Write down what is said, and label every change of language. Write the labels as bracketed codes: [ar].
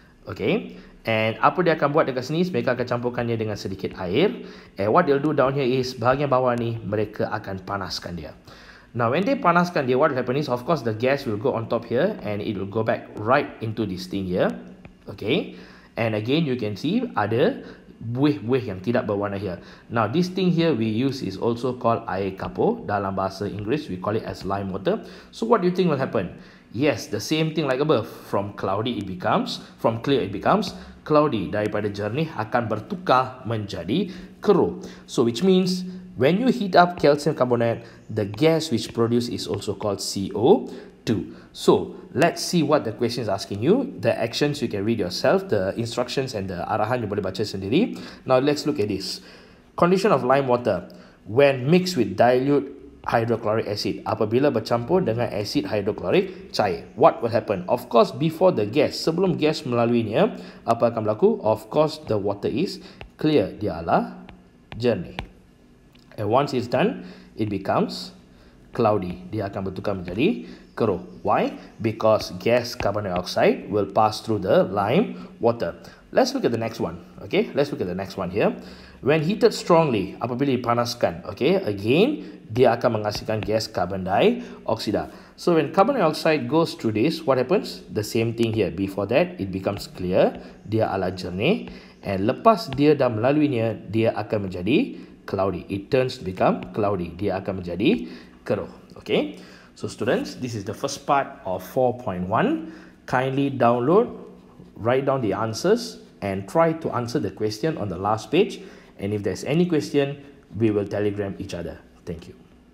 [en] Okay, and [ms] apa dia akan buat dekat sini, mereka akan campurkannya dengan sedikit air. [en] And what they'll do down here is, [ms] bahagian bawah ni, mereka akan panaskan dia. [en] Now, when they [ms] panaskan dia, [en] what will happen is, of course, the gas will go on top here, and it will go back right into this thing here. Okay, and again, you can see [ms] ada buih-buih yang tidak berwarna [en] here. Now this thing here we use is also called [ms] air kapur. Dalam bahasa Inggeris [en] we call it as lime water. So what do you think will happen? Yes, the same thing like above. From cloudy it becomes, from clear it becomes cloudy. [ms] Daripada jernih akan bertukar menjadi keruh. [en] So which means when you heat up calcium carbonate, the gas which produced is also called CO2. So let's see what the question is asking you. The actions you can read yourself, the instructions and the [ms] arahan [en] you [ms] boleh baca sendiri. [en] Now let's look at this. Condition of lime water when mixed with dilute hydrochloric acid. [ms] Apabila bercampur dengan acid hydrochloric cair, [en] what will happen? Of course, before the gas, [ms] sebelum gas melaluinya, apa akan berlaku? [en] Of course, the water is clear. [ms] Dia adalah jernih. [en] And once it's done, it becomes cloudy. [ms] Dia akan bertukar menjadi keruh. [en] Why? Because gas carbon dioxide will pass through the lime water. Let's look at the next one. Okay, let's look at the next one here. When heated strongly, [ms] apabila dipanaskan, [en] okay, again, [ms] dia akan menghasilkan [en] gas carbon dioxide. So when carbon dioxide goes through this, what happens? The same thing here. Before that, it becomes clear. [ms] Dia adalah jernih. And lepas dia dah melaluinya, dia akan menjadi cloudy. [en] It turns to become cloudy. [ms] Dia akan menjadi keruh. [en] Okay. So students, this is the first part of 4.1. Kindly download, write down the answers and try to answer the question on the last page. And if there's any question, we will telegram each other. Thank you.